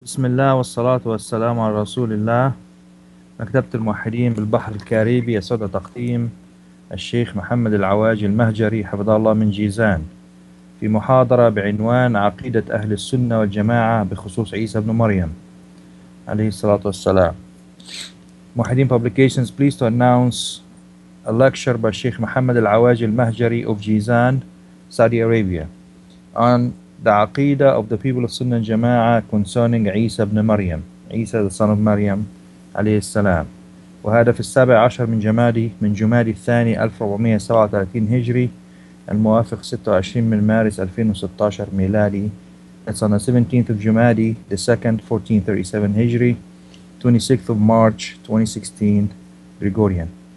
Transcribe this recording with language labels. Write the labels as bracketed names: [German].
[Arabic] بسم الله والصلاة والسلام على رسول الله. مكتبة الموحدين بالبحر الكاريبي يسعد تقديم الشيخ محمد العواجي المهجري حفظه الله من جيزان في محاضرة بعنوان عقيدة أهل السنة والجماعة بخصوص عيسى بن مريم عليه الصلاة والسلام. [English] موحدين Publications pleased to announce a lecture by Sheikh Muhammad Al-Awaji Al-Mahjari of Jizan, Saudi Arabia on the Aqidah of the people of Sunnah Jama'ah concerning Isa ibn Maryam, Isa the son of Maryam, alayhi salam. [Arabic] وهذا في السابع عشر من جمادي من جمادي الثاني 1437 هجري الموافق 26 من مارس 2016 ميلادي. [English] It's on the 17th of Jumadi, the second 1437 هجري, 26th of March 2016 Gregorian.